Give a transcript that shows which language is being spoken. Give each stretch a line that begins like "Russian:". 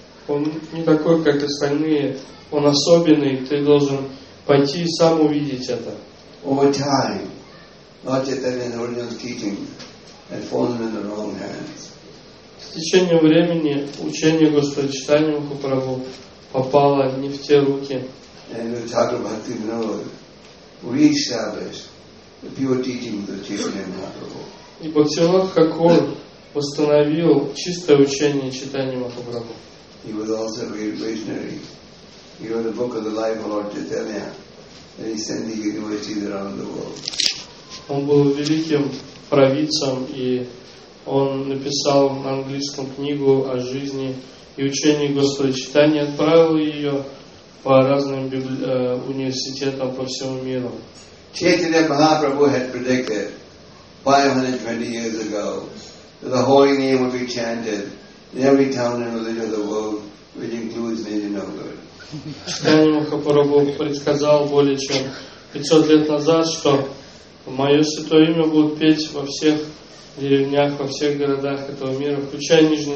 Russian: Он не такой, как остальные. Он особенный. Ты должен пойти и сам увидеть это."
English: Over time, Lord Chaitanya's original teaching had fallen in the wrong hands.
Russian: С течением времени учение Господа Чайтанья Махапрабху попало не в те руки.
English: And we talk about the Lord re-established the pure teaching of Chaitanya Mahaprabhu.
Russian: И Бхактивинода Хакур восстановил чистое учение Чайтанья Махапрабху.
English: He was also a great visionary. He wrote a book of the life of Lord Chaitanya and he sent the universities around the world.
Russian: Он был великим провидцем, и он написал на английском книгу о жизни и учении Господа Чайтанья, отправил ее по разным университетам по всему миру.
English: Chaitanya Mahaprabhu had predicted 520 years ago that the holy name would be chanted in every town and village of the world, which includes Niji Novgorod.
Russian: Чайтанья Махапрабху предсказал более чем 500 лет назад, что мое святое имя будут петь во всех деревнях, во всех городах этого мира, включая Нижний